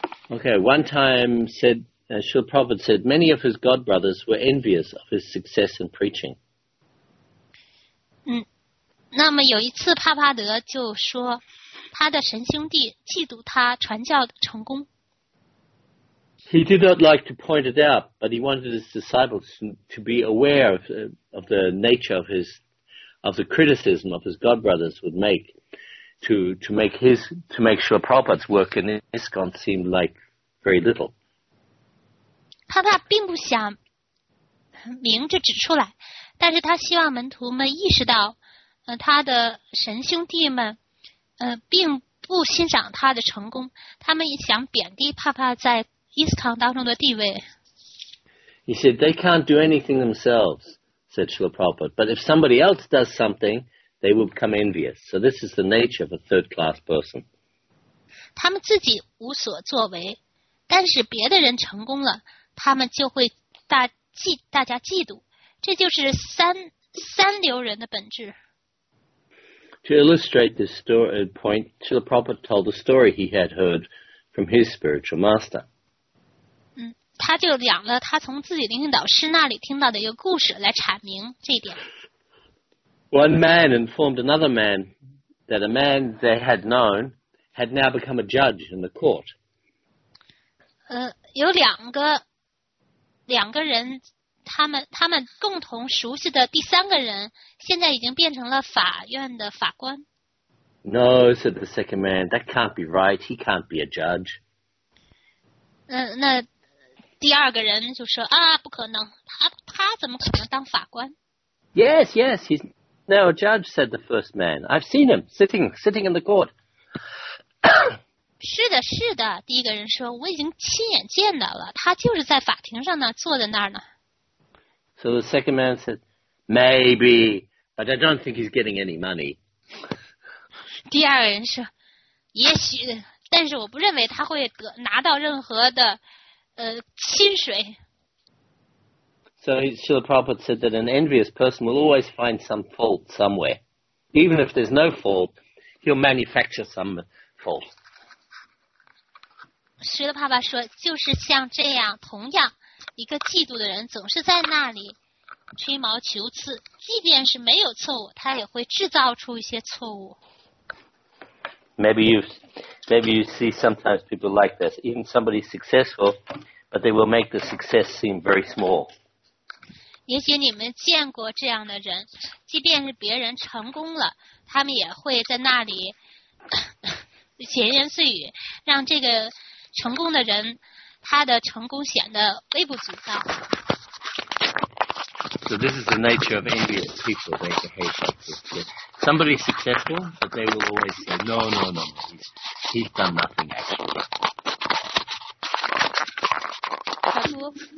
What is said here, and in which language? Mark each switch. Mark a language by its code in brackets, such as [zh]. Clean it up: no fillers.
[en] Okay, one time said, Srila Prabhupada said, many of his god brothers were envious of his success in preaching. [zh] 那么有一次帕帕德就说，他的神兄弟嫉妒他传教的成功。 [en] He did not like to point it out, but he wanted his disciples to be aware of the nature of his, of the criticism of his godbrothers would make, to make Srila Prabhupada's work in ISKCON seem like very little. [zh] 帕帕并不想明着指出来，但是他希望门徒们意识到，他的神兄弟们，并不欣赏他的成功，他们想贬低帕帕在ISKCON当中的地位。 [en] He said they can't do anything themselves, said Srila Prabhupada. But if somebody else does something, they will become envious. So this is the nature of a third class person. [zh] 他们自己无所作为，但是别的人成功了，他们就会大家嫉妒。这就是三流人的本质。 [en] To illustrate this story point, Srila Prabhupada told the story he had heard from his spiritual master. [zh] 他就讲了他从自己的领导师那里听到的一个故事来阐明这一点。 [en] One man informed another man that a man they had known had now become a judge in the court. [zh] 有两个人他们共同熟悉的第三个人现在已经变成了法院的法官。 [en] No, said the second man, that can't be right, he can't be a judge. [zh] 那第二个人就说啊，不可能，他怎么可能当法官？ [en] Yes, yes, he's now a judge, said the first man. I've seen him sitting in the court. [zh] 是的，是的，第一个人说，我已经亲眼见到了，他就是在法庭上呢，坐在那儿呢。 [en] So the second man said, maybe, but I don't think he's getting any money. [zh] 第二人说，也许，但是我不认为他会拿到任何的薪水。 [en] So Srila Prabhupada said that an envious person will always find some fault somewhere. Even if there's no fault, he'll manufacture some fault. [zh] Srila Prabhupada 说，就是像这样，同样。一个嫉妒的人总是在那里吹毛求疵，即便是没有错误，他也会制造出一些错误。 [en] Maybe you see sometimes people like this, even somebody successful, but they will make the success seem very small. [zh] 也许你们见过这样的人，即便是别人成功了，他们也会在那里闲言碎语，让这个成功的人。他的成功显得微不足道。 [en] So this is the nature of envious people. They behave like this. Somebody successful, but they will always say, "No, no, no. He's done nothing actually." 老夫。